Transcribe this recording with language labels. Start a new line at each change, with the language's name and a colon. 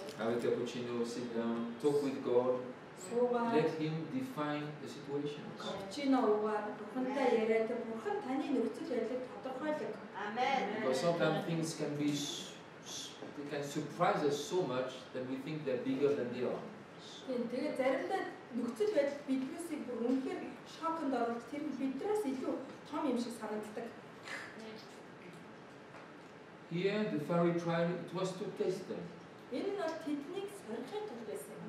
English: Have a cappuccino, sit down, talk with God. Let him define the situation.
Mongolian: Капчино угаар бурхантай яриад бурхан таны нөхцөл байдлыг тодорхойлог. Амен.
English: Because sometimes things can be they can surprise us so much that we think they're bigger than they are.
Mongolian: Тэгээ заримдаа нөхцөл байдал биднийг бүр үнэхээр шоконд оруулт тэр нь биднээс илүү том юм шиг санагддаг.
English: Here the fiery trial it was to test them.
Mongolian: Энэ нь тэднийг сорилын тул байсан.